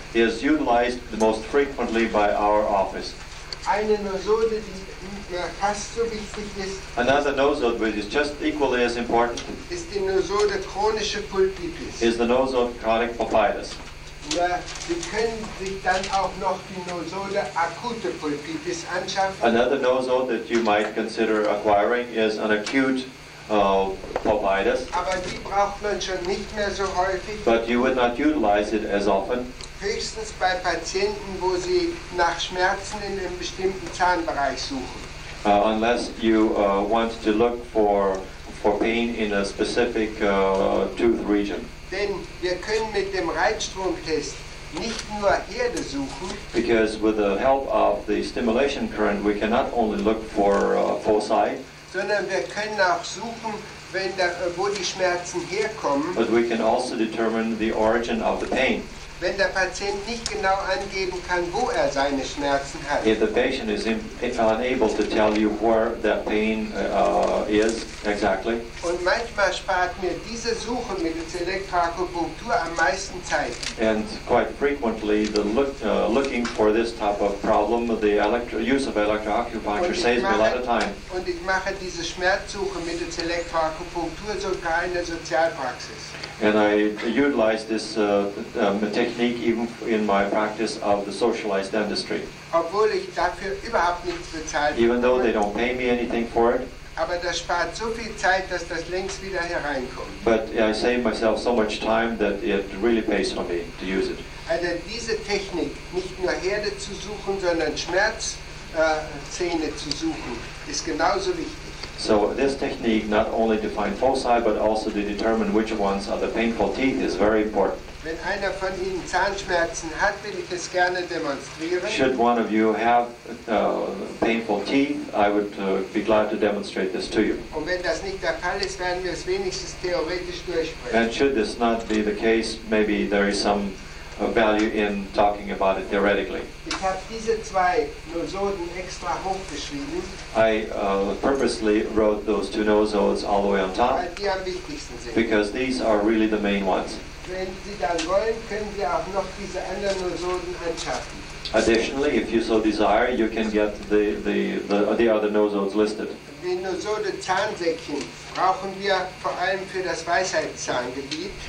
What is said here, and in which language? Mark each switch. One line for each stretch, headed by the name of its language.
English: Is utilized the most frequently by our office.
German: eine Nosode, die mir fast so wichtig ist.
English: Another nosode, which is just equally as important,
German: ist die Nosode chronische Pulpitis.
English: Is the nosode chronic pulpitis.
German: Ja, Sie können sich dann auch noch die Nosode akute Pulpitis anschaffen.
English: Another nosode that you might consider acquiring is an acute pulpitis.
German: Aber die braucht man schon nicht mehr so häufig.
English: But you would not utilize it as often.
German: Höchstens bei Patienten, wo sie nach Schmerzen in einem bestimmten Zahnbereich suchen.
English: Unless you want to look for pain in a specific tooth region.
German: Denn wir können mit dem Reizstromtest nicht nur Herde suchen.
English: Because with the help of the stimulation current, we cannot only look for foci.
German: Sondern wir können auch suchen, wenn der, wo die Schmerzen herkommen.
English: But we can also determine the origin of the pain.
German: Wenn der Patient nicht genau angeben kann, wo er seine Schmerzen hat.
English: If the patient is unable to tell you where that pain is exactly.
German: Und manchmal spart mir diese Suche mit der Elektroakupunktur am meisten Zeit.
English: And quite frequently the looking for this type of problem, the use of electroacupuncture saves me a lot of time.
German: Und ich mache diese Schmerzsuche mit der Elektroakupunktur sogar in der Sozialpraxis.
English: And I utilize this technique even in my practice of the socialized dentistry.
German: Obwohl ich dafür überhaupt nichts bezahlt.
English: Even though they don't pay me anything for it.
German: Aber das spart so viel Zeit, dass das längst wieder hereinkommt.
English: But I save myself so much time that it really pays for me to use it.
German: Also diese Technik, nicht nur Herde zu suchen, sondern Schmerzzähne zu suchen, ist genauso wichtig.
English: So this technique, not only to find foci, but also to determine which ones are the painful teeth, is very important.
German: Wenn einer von Ihnen Zahnschmerzen hat, will ich es gerne demonstrieren.
English: Should one of you have painful teeth, I would be glad to demonstrate this to you.
German: Und wenn das nicht der Fall ist, werden wir es wenigstens theoretisch durchsprechen.
English: And should this not be the case, maybe there is some value in talking about it theoretically.
German: Ich habe diese zwei Nosoden extra hochgeschrieben.
English: I purposely wrote those two nosodes all the way on top.
German: Weil die am wichtigsten sind.
English: Because these are really the main ones.
German: Wenn Sie dann wollen, können Sie auch noch diese anderen Nosoden anschaffen.
English: Additionally, if you so desire, you can get the other nosodes listed.
German: Die Nosode Zahnsäckchen brauchen wir vor allem für das Weisheitszahngebiet.